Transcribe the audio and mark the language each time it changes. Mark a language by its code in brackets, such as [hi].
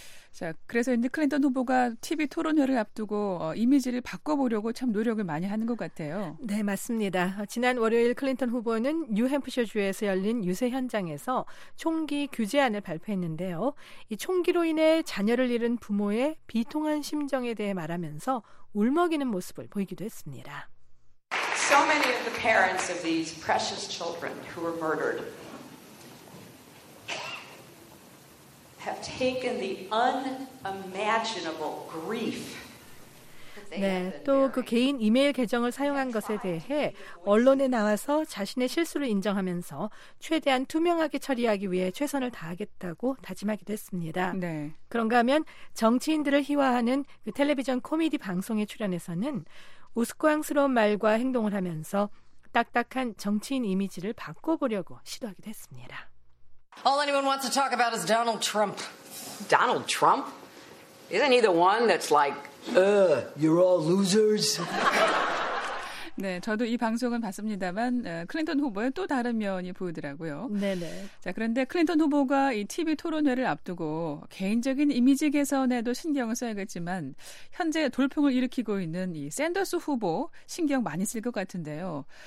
[ko] 자, 그래서 이제 클린턴 후보가 TV 토론회를 앞두고 이미지를 바꿔보려고 참 노력을 많이 하는 것 같아요. 네, 맞습니다. 지난 월요일 클린턴 후보는 뉴햄프셔주에서 열린 유세 현장에서 총기 규제안을 발표했는데요. 이 총기로 인해 자녀를 잃은 부모의 비통한 심정에 대해 말하면서 울먹이는 모습을 보이기도 했습니다. [en] So many of the parents of these precious children who were murdered have taken the unimaginable grief. [ko] 네, 또 그 개인 이메일 계정을 사용한 것에 대해 언론에 나와서 자신의 실수를 인정하면서 최대한 투명하게 처리하기 위해 최선을 다하겠다고 다짐하기도 했습니다. 네. 그런가 하면 정치인들을 희화하는 그 텔레비전 코미디 방송에 출연해서는 우스꽝스러운 말과 행동을 하면서 딱딱한 정치인 이미지를 바꿔보려고 시도하기도 했습니다. [en] All anyone wants to talk about is Donald Trump. Donald Trump? Isn't he the one that's like, you're all losers? [ko] 네, 저도 이 방송은 봤습니다만 클린턴 후보의 또 다른 면이 보이더라고요. 네네. 자, 그런데 클린턴 후보가 이 TV 토론회를 앞두고 개인적인 이미지 개선에도 신경을 써야겠지만 현재 돌풍을 일으키고 있는 이 샌더스 후보 신경 많이 쓸 것 같은데요.